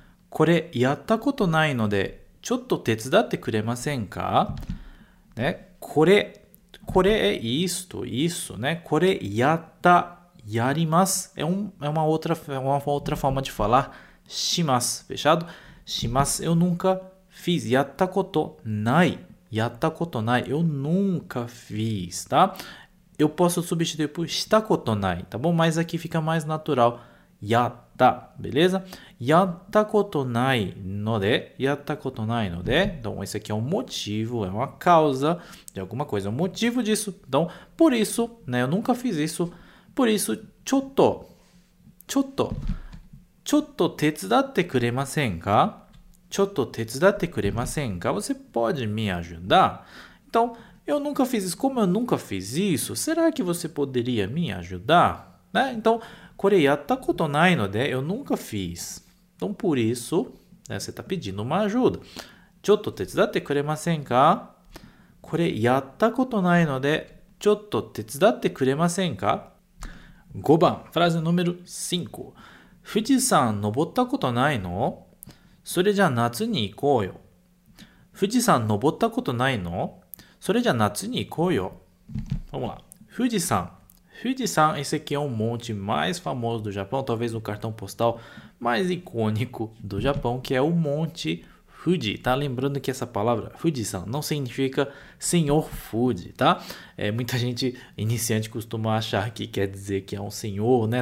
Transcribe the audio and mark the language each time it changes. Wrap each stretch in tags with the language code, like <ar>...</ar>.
<ja>Kore yatta koto nai no de chotto tetsudatte kuremasen ka? Né?</ja> <pt>これé isto, né?</pt> <ja>これやった、やります。</ja> <pt>é uma outra forma de falar します、fechado? します、eu nunca fiz.</pt> <ja>やったことない、やったことない、</ja> <pt>eu nunca fiz, tá? Eu posso substituir por</pt> <ja>したことない、</ja> <pt>tá bom? Mas aqui fica mais natural, やった、beleza?</pt> <ja>やったことないので、やったことないので、</ja> <pt>então esse aqui é um motivo, é uma causa de alguma coisa, é um motivo disso, então por isso, né, eu nunca fiz isso, por isso,</pt> <ja>ちょっと手伝ってくれませんか？ちょっと手伝ってくれませんか？</ja> <pt>você pode me ajudar? Então, eu nunca fiz isso, como eu nunca fiz isso, será que você poderia me ajudar? Né? Então,</pt> <ja>これやったことないので、</ja> <pt>eu nunca fiz. Então, por isso, né, você está pedindo uma ajuda.</pt> <ja>ちょっと手伝ってくれませんか？これやったことないので、ちょっと手伝ってくれませんか？ 5番、フラーズ</ja> <pt>número 5。</pt> <ja>富士山登ったことないの？それじゃ夏に行こうよ。富士山登ったことないの？それじゃ夏に行こうよ。</ja> <pt>Vamos lá. 富士山。 Fuji-san, esse aqui é um monte mais famoso do Japão, talvez o cartão postal mais icônico do Japão, que é o Monte Fuji, tá? Lembrando que essa palavra, Fuji-san, não significa Senhor Fuji, tá? É, muita gente iniciante costuma achar que quer dizer que é um senhor, né?</pt>